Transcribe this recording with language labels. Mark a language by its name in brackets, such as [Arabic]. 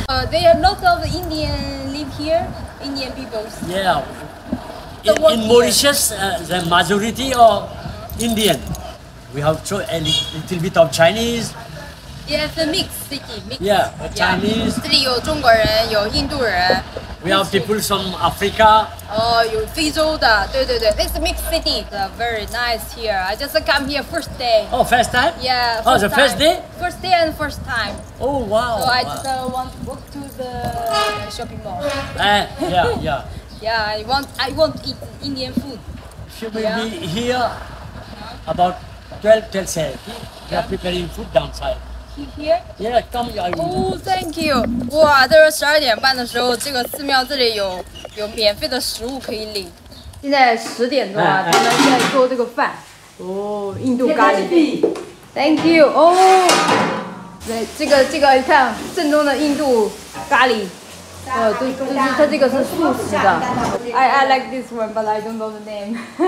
[English] There are lots of Indian live here, Indian people. Yeah. In Mauritius, the majority are Indian. We have to a little bit of Chinese. Yeah, it's a mix city. Yeah, Chinese. [Chinese] 这里有中国人，有印度人。 [English] We have people from Africa. [Chinese] 哦，有非洲的，对。 [English] It's a mix city. Very nice here. I just come here first day. Oh, first time? Yeah. First the first day? First day and first time. Oh, wow. So I just want to walk to the shopping mall. Yeah. Yeah, I want to eat Indian food. Should we be here about 12 30. We are preparing food downside. Here? Yeah, come here. Oh, thank you. [Chinese] 哇，这是12:30的时候，这个寺庙这里有免费的食物可以领。现在10点多了，他们在做这个饭。哦，印度咖喱。 [English] Thank you. [Chinese] 哦，对，这个，你看正宗的印度咖喱。哦，对，就是它这个是素食的。 [English] I like this one, but I don't know the name.